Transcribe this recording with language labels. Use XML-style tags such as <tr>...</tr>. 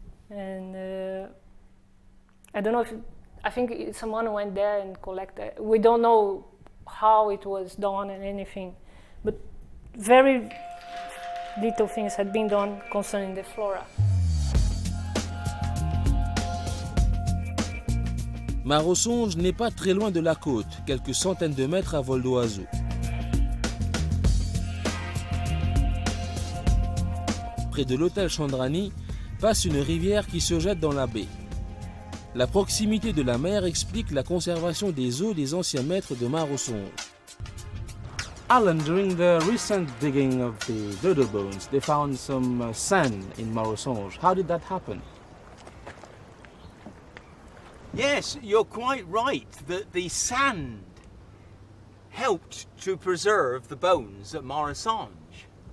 <en>And I don't know if I think someone went there and collected. We don't know how it was done and anything, but very little things had been done concerning the flora.</en> <fr>Mauritius n'est pas très loin de la côte, quelques centaines de mètres à vol d'oiseau. Près de l'hôtel Chandrani passe une rivière qui se jette dans la baie. La proximité de la mer explique la conservation des os des anciens maîtres de Mare-aux-Songes.</fr> <en>Alan, during the recent digging of the dodo bones, they found some sand in Mare-aux-Songes. How did that happen? Yes, you're quite right that the sand helped to preserve the bones at Mare-aux-Songes.</en>